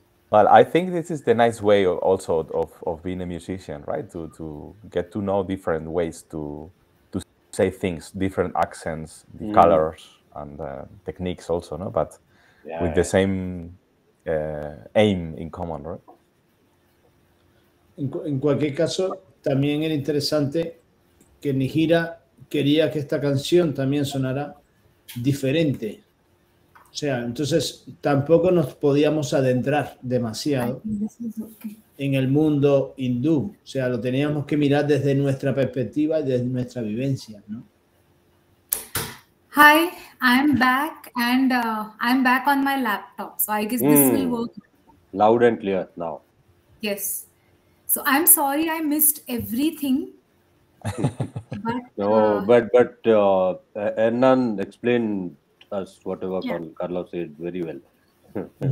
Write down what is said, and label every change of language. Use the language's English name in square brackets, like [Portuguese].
[English] Well, I think this is the nice way also of being a musician, right? To get to know different ways to say things, different accents, the colors and techniques also, no? But yeah, with the same aim in common, right? [Spanish] En cualquier caso, también era interesante que Nihira quería que esta canción también sonara diferente. O sea, entonces tampoco nos podíamos adentrar demasiado en el mundo hindú. O sea, lo teníamos que mirar desde nuestra perspectiva y desde nuestra vivencia, ¿no? [English] Hi, I'm back and I'm back on my laptop. So I guess this will work. Loud and clear now. Yes. So I'm sorry I missed everything. Hernán explained us whatever Carlos said very well.